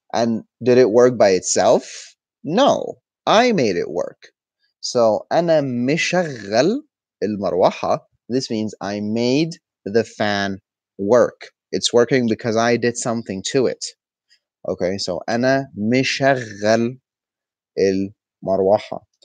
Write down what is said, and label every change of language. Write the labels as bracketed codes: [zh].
[en] And did it work by itself? No. I made it work. So [ar] أنا مشغل المروحة. [en] This means I made the fan work. It's working because I did something to it. [ar] Okay, so أنا مشغل المروحة.